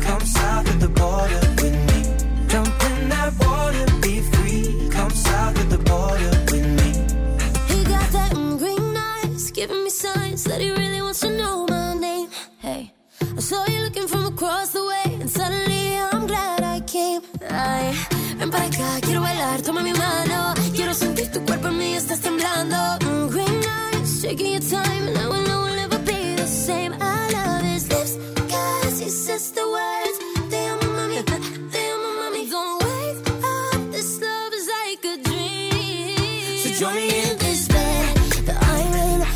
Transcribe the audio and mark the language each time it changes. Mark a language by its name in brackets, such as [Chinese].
[English] Come south of the border with me. Jump in that water, be free. Come south of the border with me. He got that green eyes, giving me signs that he really wants to know my name. Hey, I saw you looking from across the way, and suddenly I'm glad I came. [Spanish] Ay, ven para acá, quiero bailar, toma mi mano. Quiero sentir tu cuerpo en mí, estás temblando. [English] Green eyes, taking your time, and I will know we'll never be the same. I love his lips, cause he says the words. Damn, mami, damn, mami. Don't wake up, this love is like a dream. So join me in this bed that I'm in.